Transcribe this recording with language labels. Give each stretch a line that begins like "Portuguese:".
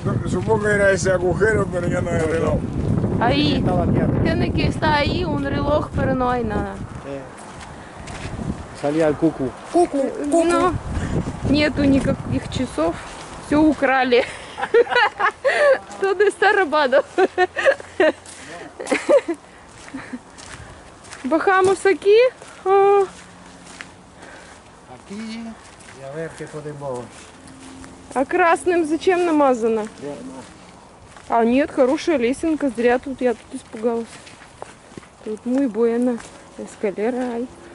Spanish: Supongo que era ese agujero, pero ya no hay reloj. Ahí. Tiene que estar ahí un reloj, pero no hay nada. Salía el cucu. Cucu, cucu. No,
Russian: нету никаких часов. Все украли.
Spanish: Todo está robado. Bajamos aquí. Aquí. Y a ver qué podemos...
Russian: А красным зачем намазано? А нет, хорошая лесенка, зря тут, я тут испугалась. Тут
Spanish: muy buena escalera hay.